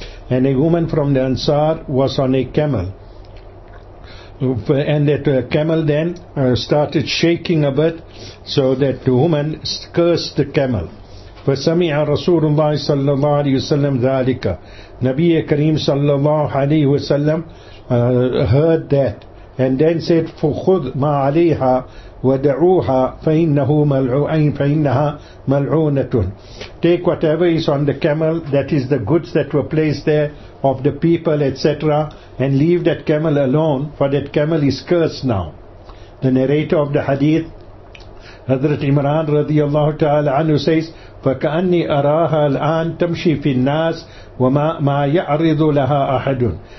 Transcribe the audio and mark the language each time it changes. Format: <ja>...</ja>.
<en>And a woman from the Ansar was on a camel. And that camel then started shaking a bit, so that the woman cursed the camel.</en> <ar>فَسَمِعَ رَسُولُ اللَّهِ صَلَّى اللَّهُ عَلَيْهِ وَسَلَّمْ ذَلِكَ.</ar> <en>Nabi Kareem صَلَّى اللَّهُ عَلَيْهِ وَسَلَّمْ heard that. And then said,</en> <ar>فَخُذْ مَا عَلَيْهَا وَدَعُوهَا فَإِنَّهَا مَلْعُونَةٌ.</ar> <en>Take whatever is on the camel, that is the goods that were placed there of the people, etc., and leave that camel alone, for that camel is cursed now. The narrator of the hadith, Hazrat Imran radiallahu ta'ala anhu says,</en> <ar>فَكَأَنِّي أَرَاهَا الْآنْ تَمْشِي فِي النَّاسِ وَمَا يَعْرِضُ لَهَا أَحَدٌ.</ar>